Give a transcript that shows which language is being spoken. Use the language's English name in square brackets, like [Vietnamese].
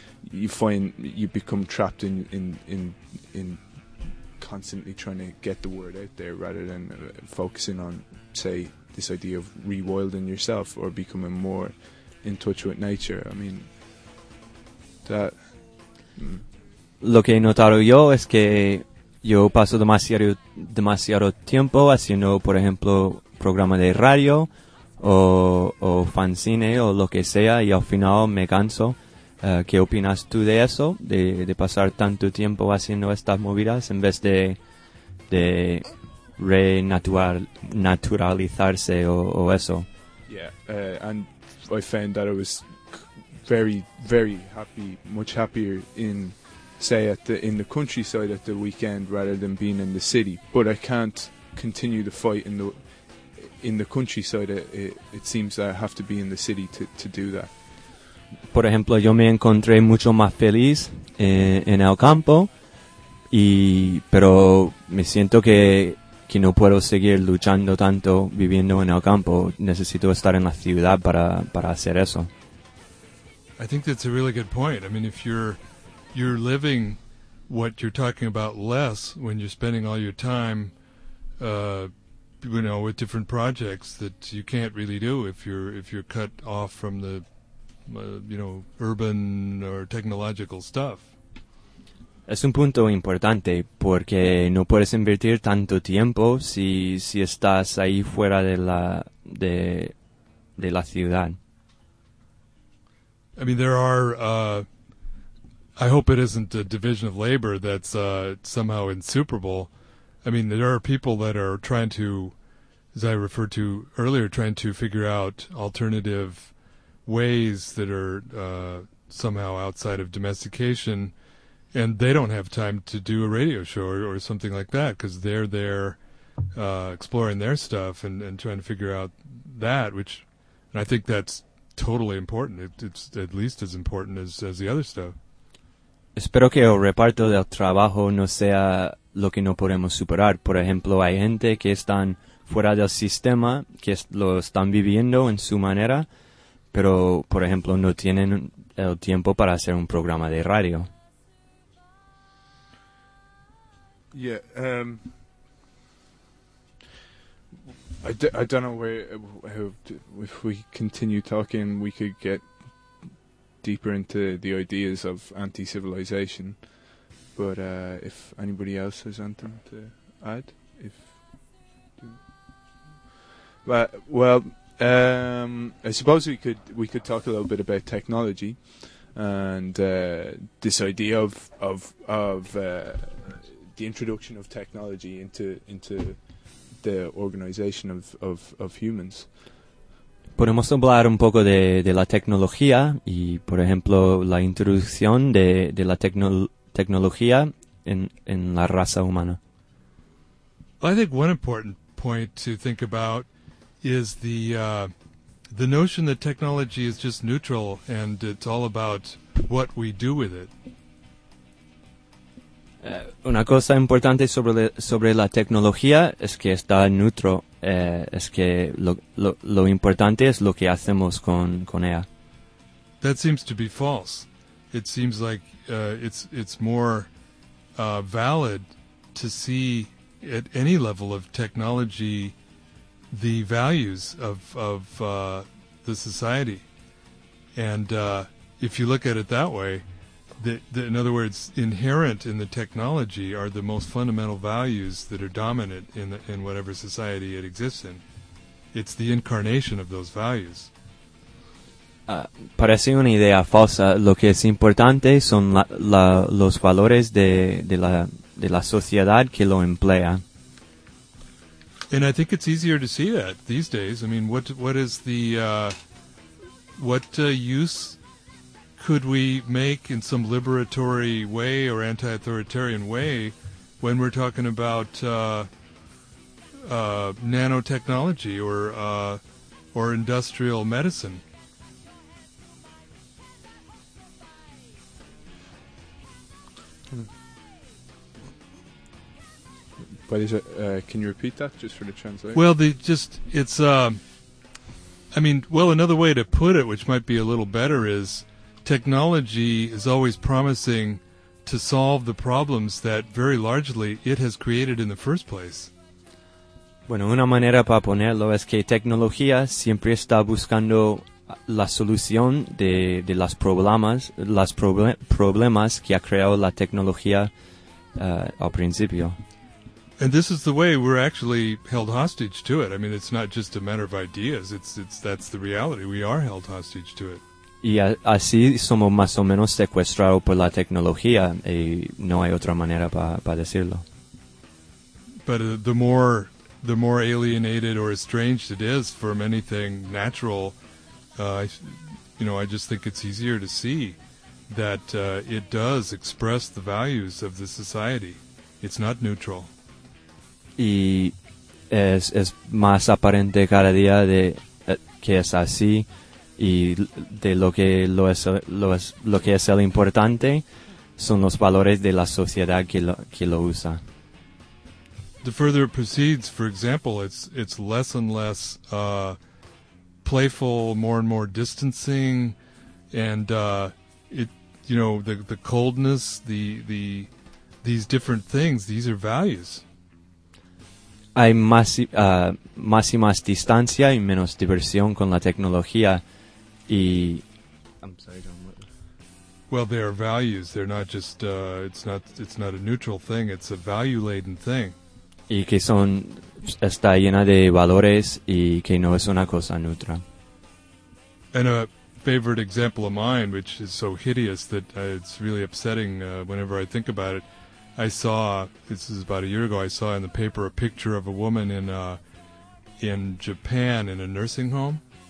[English] You find you become trapped in constantly trying to get the word out there rather than focusing on, say, this idea of rewilding yourself or becoming more in touch with nature. I mean, that. [Spanish] Lo que he notado yo es que yo paso demasiado tiempo haciendo, por ejemplo, programa de radio o fanzine o lo que sea, y al final me canso. ¿Qué opinas tú de eso, de pasar tanto tiempo haciendo estas movidas en vez de renaturalizarse o eso. [English] And I found that I was very, very happy, much happier in, say, in the countryside at the weekend rather than being in the city. But I can't continue the fight in the countryside. It seems that I have to be in the city to do that. [Spanish] Por ejemplo, yo me encontré mucho más feliz en el campo, pero me siento que no puedo seguir luchando tanto viviendo en el campo. Necesito estar en la ciudad para hacer eso. [English] I think that's a really good point. I mean, if you're living what you're talking about less when you're spending all your time, with different projects that you can't really do if you're cut off from the, urban or technological stuff. [Spanish] Es un punto importante porque no puedes invertir tanto tiempo si estás ahí fuera de la ciudad. [English] I mean, there are. I hope it isn't a division of labor that's somehow insuperable. I mean, there are people that are trying to, as I referred to earlier, trying to figure out alternative ways that are somehow outside of domestication, and they don't have time to do a radio show or something like that because they're there exploring their stuff and trying to figure out that, which, and I think that's totally important. It's at least as important as the other stuff. [Spanish] Espero que el reparto del trabajo no sea lo que no podemos superar. Por ejemplo, hay gente que están fuera del sistema, que lo están viviendo en su manera, pero, por ejemplo, no tienen el tiempo para hacer un programa de radio. [English] I don't know if we continue talking, we could get deeper into the ideas of anti-civilization, but if anybody else has anything to add, I suppose we could talk a little bit about technology and this idea of the introduction of technology into the organization of humans. [Spanish] Podemos hablar un poco de la tecnología y, por ejemplo, la introducción de la tecnología en la raza humana. [English] Well, I think one important point to think about is the notion that technology is just neutral and it's all about what we do with it. [Spanish] Una cosa importante sobre la tecnología es que está neutro. Es que lo importante es lo que hacemos con ella. [English] That seems to be false. It seems like it's more valid to see at any level of technology the values of the society. And if you look at it that way, the, in other words, inherent in the technology are the most fundamental values that are dominant in whatever society it exists in. It's the incarnation of those values. [Spanish] Parece una idea falsa. Lo que es importante son los valores de la sociedad que lo emplea. [English] And I think it's easier to see that these days. I mean, what use could we make in some liberatory way or anti-authoritarian way when we're talking about nanotechnology or industrial medicine? But can you repeat that just for the translation? Well, another way to put it, which might be a little better, is technology is always promising to solve the problems that very largely it has created in the first place. [Spanish] Bueno, una manera para ponerlo es que tecnología siempre está buscando la solución de los problemas, problemas que ha creado la tecnología al principio. [English] And this is the way we're actually held hostage to it. I mean, it's not just a matter of ideas. It's that's the reality. We are held hostage to it. [Spanish] Y así somos más o menos secuestrados por la tecnología, y no hay otra manera para decirlo. [English] But the more the more alienated or estranged it is from anything natural, I just think it's easier to see that it does express the values of the society. It's not neutral. [Spanish] Y es más aparente cada día de que es así y de lo que es el importante son los valores de la sociedad que lo usa. [English] The further it proceeds, for example, it's less and less playful, more and more distancing, and the coldness, these different things, these are values. [Spanish] Hay más y más distancia y menos diversión con la tecnología y... [English] I'm sorry, John. Well, they are values. They're not just, it's not a neutral thing. It's a value-laden thing. [Spanish] Y que son, está llena de valores y que no es una cosa neutra. [English] And a favorite example of mine, which is so hideous that it's really upsetting whenever I think about it, I saw, this is about a year ago, I saw in the paper a picture of a woman in Japan in a nursing home.